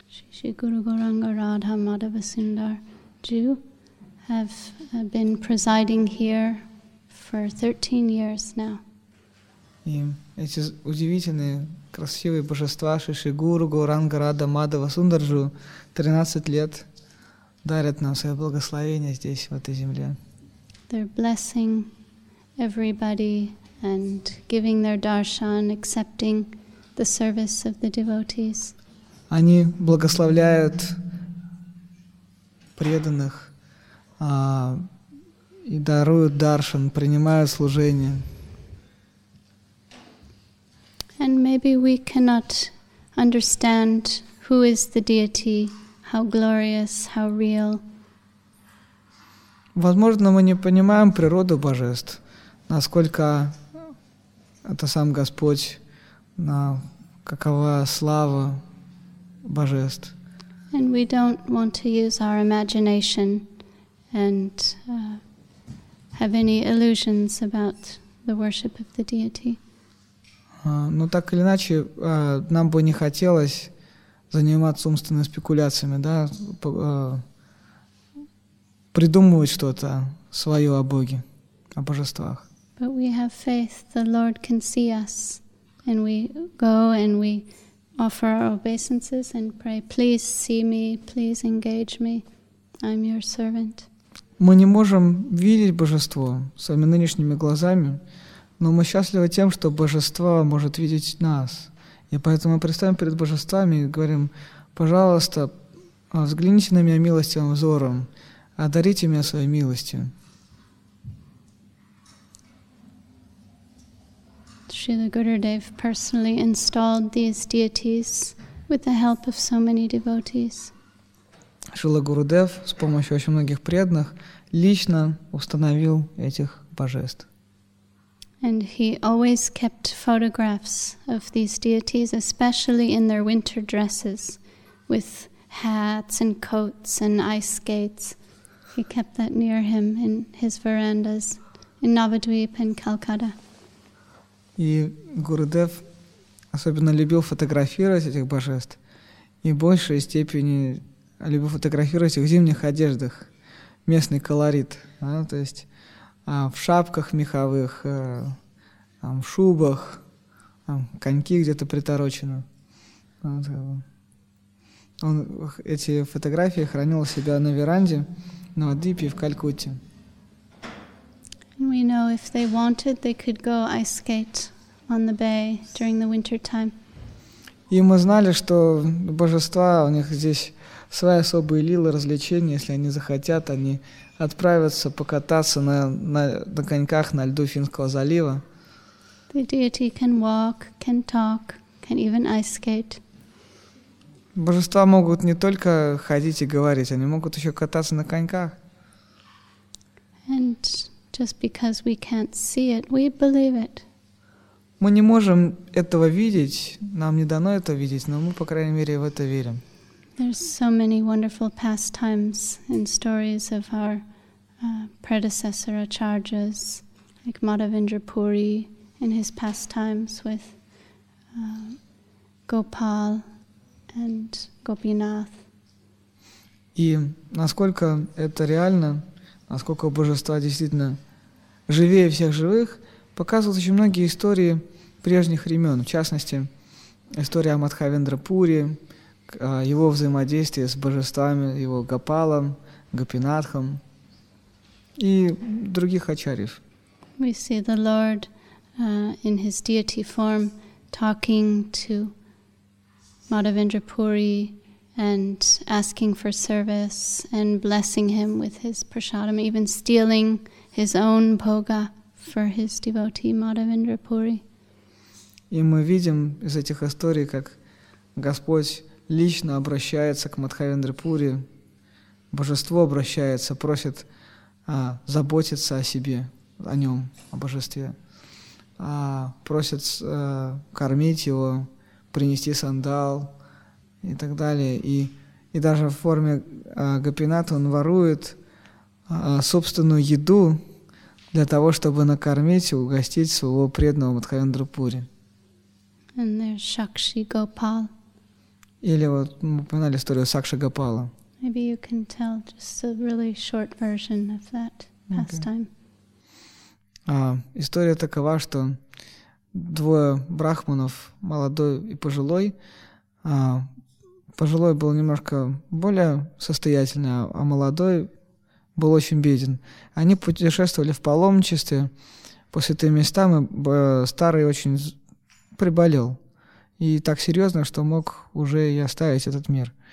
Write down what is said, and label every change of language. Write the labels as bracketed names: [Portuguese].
[English] Shri Guru Gauranga Radha Madhava Sundar Ju have been presiding here for 13 years now. [Russian] И эти удивительные красивые божества Шиши Гуру, Гауранга, Рада, Мадхава, Сундарджу 13 лет дарят нам свое благословение здесь, в этой земле. [English] They're blessing everybody and giving their darshan, accepting the service of the devotees. [Russian] Они благословляют преданных и даруют даршан, принимают служение. [English] And maybe we cannot understand who is the deity, how glorious, how real. [Russian] Возможно, мы не понимаем природу божеств, насколько это сам Господь, на какова слава божеств. [English] And we don't want to use our imagination and have any illusions about the worship of the deity. [Russian] Но так или иначе, нам бы не хотелось заниматься умственными спекуляциями, да, придумывать что-то свое о Боге, о божествах. [English] But we have faith the Lord can see us, and we go and we offer our obeisances and pray, please see me, please engage me, I'm your servant. [Russian] Мы не можем видеть божество своими нынешними глазами, но мы счастливы тем, что Божество может видеть нас. И поэтому мы представим перед Божествами и говорим, пожалуйста, взгляните на меня милостивым взором, одарите меня своей милостью. [English] Srila Gurudev personally installed these deities with the help of so many devotees. [Russian] Srila Gurudev с помощью очень многих преданных лично установил этих божеств. [English] And he always kept photographs of these deities, especially in their winter dresses, with hats and coats and ice skates. He kept that near him in his verandas in Navadvip and Calcutta. [Russian] И Гурудев особенно любил фотографировать этих божеств, и в большей степени либо фотографировать их в зимних одеждах, местный колорит, да, то есть в шапках меховых, там, в шубах, там, коньки где-то приторочены. Вот. Он эти фотографии хранил у себя на веранде на Адыпе в Калькутте. [English] We know if they wanted, they could go ice skate on the bay during the winter time. [Russian] И мы знали, что божества, у них здесь свои особые лилы, развлечения. Если они захотят, они отправятся покататься на коньках на льду Финского залива. [English] The deity can walk, can talk, can even ice skate. [Russian] Божества могут не только ходить и говорить, они могут еще кататься на коньках. [English] And just because we can't see it, we believe it. [Russian] Мы не можем этого видеть, нам не дано это видеть, но мы, по крайней мере, в это верим. [English] There's so many wonderful pastimes and stories of our predecessor acharyas, like Madhavendra Puri and his pastimes with Gopal and Gopinath. [Russian] И насколько это реально, насколько божества действительно живее всех живых, показывают очень многие истории прежних времен, в частности, история о Мадхавендра Пури, его взаимодействие с божествами, его Гопалом, Гопинатхом и других ачарьев. [English] We see the Lord in his deity form talking to Madhavendra Puri and asking for service and blessing him with his prasadam, even stealing his own bhoga for his devotee Madhavendra Puri. [Russian] И мы видим из этих историй, как Господь лично обращается к Мадхавендра Пури, божество обращается, просит заботиться о себе, о нем, о божестве, просит кормить его, принести сандал и так далее. И даже в форме гопинат он ворует собственную еду для того, чтобы накормить и угостить своего преданного Мадхавендра Пури. [English] And there's Sakshi Gopal. [Russian] Или вот мы упоминали историю Сакши Гопала. [English] Maybe you can tell just a really short version of that pastime. [Russian] История такова, что двое брахманов, молодой и пожилой, пожилой был немножко более состоятельный, а молодой был очень беден. Они путешествовали в паломничестве по святым местам, и старый очень приболел, и так серьезно, что мог уже и оставить этот мир.